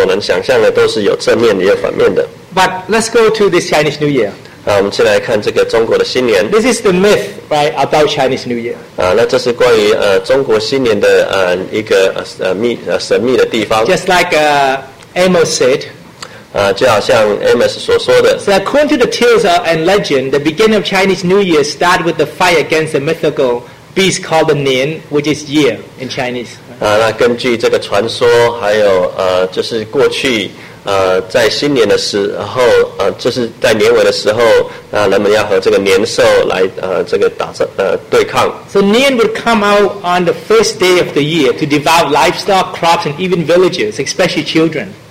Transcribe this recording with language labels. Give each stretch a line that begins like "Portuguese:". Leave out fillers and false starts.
Chinese: 那事实上每一个节日我们所能想象的都是有正面的，也有反面的。
English: But let's go to this Chinese New Year.
Chinese: 我们先来看这个中国的新年。
English: This is the myth, right, about Chinese New Year.
Chinese: 那这是关于中国新年的一个神秘的地方。
English: Just like Amos said.
Chinese: 就好像 Amos 所说的。
English: So according to the tales and legend, the beginning of Chinese New Year started with the fight against the mythical beast called the Nian, which is year in Chinese.
Chinese: 那根据这个传说，还有就是过去。在新年的时候，就是在年尾的时候，人们要和这个年兽来对抗。
English: So Nian would come out on the first day of the year to devour livestock, crops, and even villages, especially children.